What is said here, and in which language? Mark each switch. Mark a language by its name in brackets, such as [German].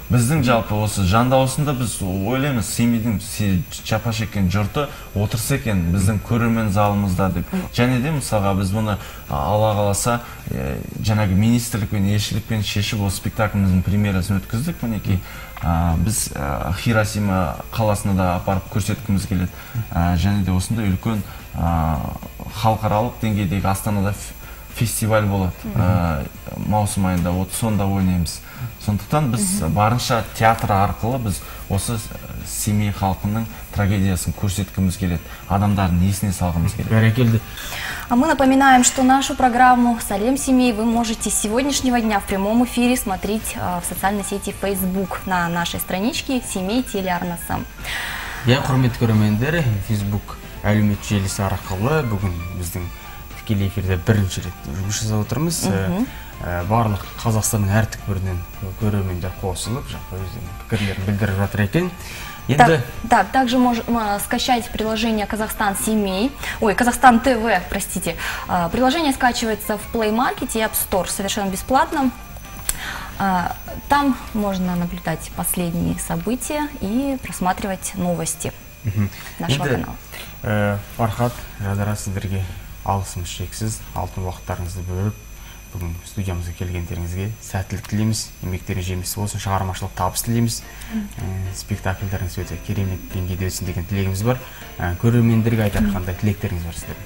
[Kyrgyz] Биздин жалпы осы жандаусунда биз ойлойбуз, Семейдин жапа шеккен жорту отурса экен биздин көрүрмөн залыбызда деп. Жана да мисалга биз муну Алла кааласа жанагы министрлик менен элчилик менен чечип осы спектаклыбыздын премьерасын өткөздүк мынакей. [Kazakh] Біз Хиросима қаласына да апарып көрсеткіміз келеді. Және де осында үлкен халықаралық деңгейдегі Астанада фестиваль болады. Маусым айында сонда ойнаймыз. Сондықтан біз барынша театр арқылы біз осы Семей халқының трагедиясын көрсеткіміз келеді. Адамдардың несіне салғымыз келеді. Бәрекелді. [Russian] А мы напоминаем, что нашу программу «Салем семьи» вы можете с сегодняшнего дня в прямом эфире смотреть в социальной сети Facebook на нашей страничке «Семей Телеарнаса». [Kazakh] Я хурмет көрмендер, Facebook әлімет желісі арқылы. Бүгін біздің тікелей эфирде бірінші рет жұмыс отырмыз. Барлық Қазақстанның әр түкпірінен көрмендер қосылып, жақпы өздің пікірлерін білдіріп жатыр екен. [Russian] Так, также можно скачать приложение Казахстан Семей, ой, Казахстан ТВ, простите. Приложение скачивается в Play Market и App Store совершенно бесплатно. Там можно наблюдать последние события и просматривать новости нашего канала. Фархат, рада вас видеть. [Kazakh] Алсын шексиз, алтын уақыттарыңызды бөліп, бүгін студиямызға келгендеріңізге сәттілік тілейміз, еңбектеріңіз жемісті болсын, шығармашылық табыс тілейміз. Спектакльдеріңіз өте керемет деңгейде өтсін деген тілегіміз бар. Көрермендерге айтар қандай тілектеріңіз бар сіздер?